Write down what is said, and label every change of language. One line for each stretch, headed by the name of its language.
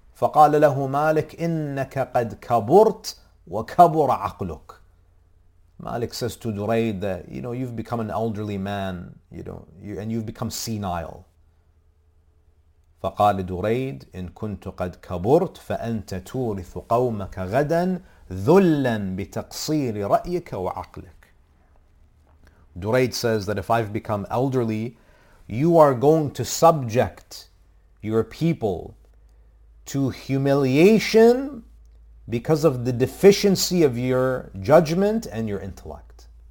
Arabic: فقال له مالك إنك قد كبرت وكبر عقلك.
English: Malik says to Durayd that, you know, you've become an elderly man, you know, and you've become senile.
Arabic: فقال دريد إن كنت قد كبرت فأنت تورث قومك غدا ذلا بتقصير رأيك وعقلك.
English: Durayd says that if I've become elderly, you are going to subject your people to humiliation because of the deficiency of your judgment and your intellect.